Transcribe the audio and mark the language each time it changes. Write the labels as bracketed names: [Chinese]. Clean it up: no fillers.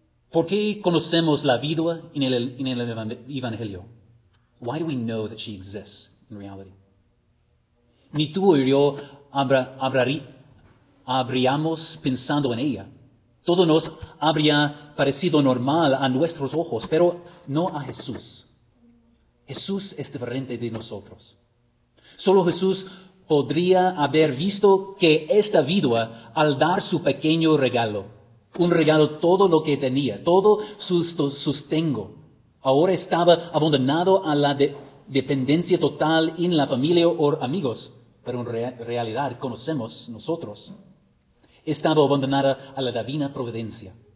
[Spanish] ¿Por qué conocemos la viuda en el Evangelio? [English] Why do we know that she exists in reality? [Spanish] Ni tú y yo habríamos pensado en ella. Todo nos habría parecido normal a nuestros ojos, pero no a Jesús. Jesús es diferente de nosotros. Solo Jesús podría haber visto que esta viuda, al dar su pequeño regalo, un regalo todo lo que tenía, todo su sustento, ahora estaba abandonado a la dependencia total en la familia o amigos, pero en realidad conocemos nosotros, estaba abandonada a la divina providencia.